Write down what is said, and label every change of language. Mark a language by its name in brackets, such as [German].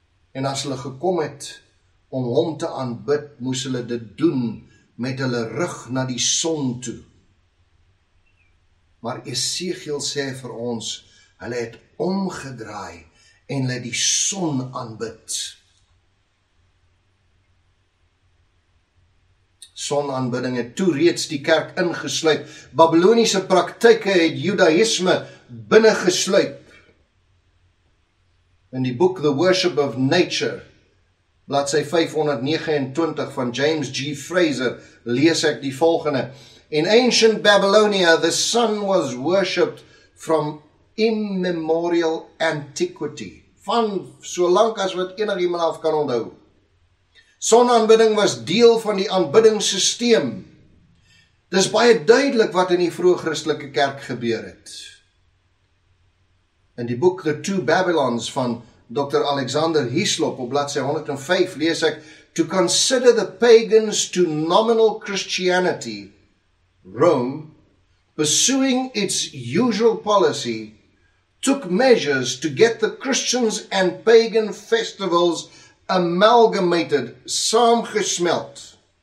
[Afrikaans] En as hulle gekom het om hom te aanbid, moes hulle dit doen met hulle rug na die son toe. Maar Esegiel sê vir ons, hulle het omgedraai en hulle die son aanbid. Sonaanbidding het toe reeds die kerk ingesluip. Babyloniese praktyke het Judaïsme binnengesluip. In die boek The Worship of Nature, bladsy 529 van James G. Fraser, lees ek die volgende. [English] In ancient Babylonia, the sun was worshipped from immemorial antiquity. [Afrikaans] Van so lank as wat enig iemand af kan onthou. Sonaanbidding was deel van die aanbiddingssisteem. Dis baie duidelik wat in die vroeg-christelike kerk gebeur het. In die boek The Two Babylons van Dr. Alexander Hislop op bladsy 105 lees ek, [English] "To consider the pagans to nominal Christianity, Rome, pursuing its usual policy, took measures to get the Christians and pagan festivals amalgamated, saamgesmelt."